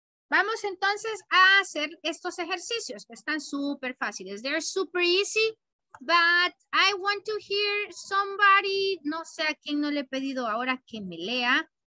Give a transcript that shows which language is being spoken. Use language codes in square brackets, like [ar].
[es] Vamos entonces a hacer estos ejercicios que están súper fáciles. [en] They're super easy, but I want to hear somebody. [es] No sé a quién no le he pedido ahora que me lea.